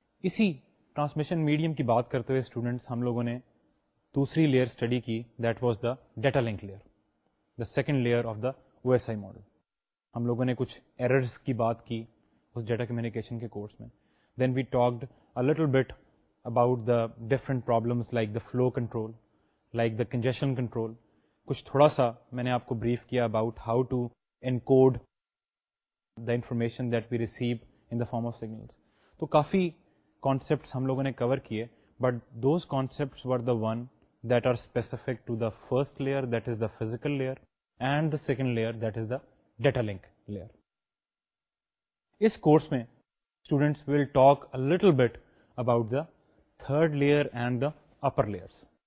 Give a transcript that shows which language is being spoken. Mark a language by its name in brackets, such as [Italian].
[Urdu] اسی transmission medium کی بات کرتے ہوئے اسٹوڈنٹس, ہم لوگوں نے دوسری لیئر اسٹڈی کی, [English] That was the data link layer, the second layer of the O S I model. [Urdu] ہم لوگوں نے کچھ ایررز کی بات کی اس ڈیٹا کمیونیکیشن کے کورس میں. [English] Then we talked a little bit about the different problems like the flow control, like the congestion control. [Urdu] کچھ تھوڑا سا میں نے آپ کو بریف کیا [English] About how to encode the information that we receive in the form of signals. So, [Urdu] kafi concepts hum logon ne cover kiye, [English] but those concepts were the one that are specific to the first layer, that is the physical layer, and the second layer, that is the data link layer. [Urdu] Is course mein, [English] students will talk a little bit about the third layer and the upper layers.